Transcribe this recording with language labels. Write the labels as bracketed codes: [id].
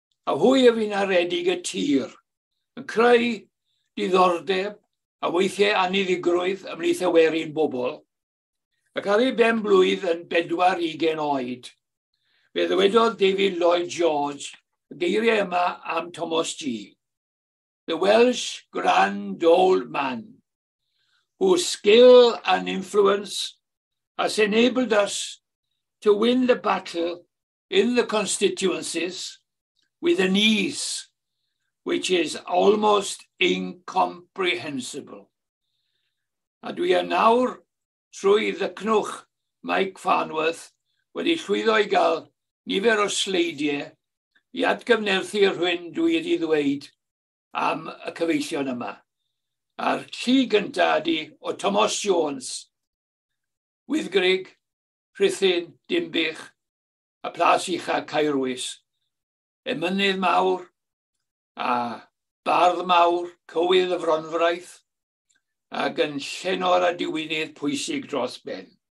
[cy] A hwy y fi'n aredig y tir yn creu diddordeb a weithiau aniddigrwydd ymryth y werin bobl. Ac ar ei ben blwydd yn 40 oed, fe ddywedodd David Lloyd George y geiriau yma am Thomas Gee. [en] The Welsh Grand Old Man, whose skill and influence has enabled us to win the battle in the constituencies with an ease which is almost incomprehensible. [cy] A dwi yn nawr trwy ddycnwch Mike Farnworth wedi llwyddo i gael nifer o sleidiau i atgyfnerthu rhywun dwi wedi ddweud am y cyfeillion yma. A'r llu gyntaf ydi o Thomas Jones, Wyddgrig, Rhuthun, Dinbych, a Plas Ucha Caerwys, emynydd mawr a bardd mawr, cywydd y fronfraith, ac yn llenor a diwinydd pwysig dros ben.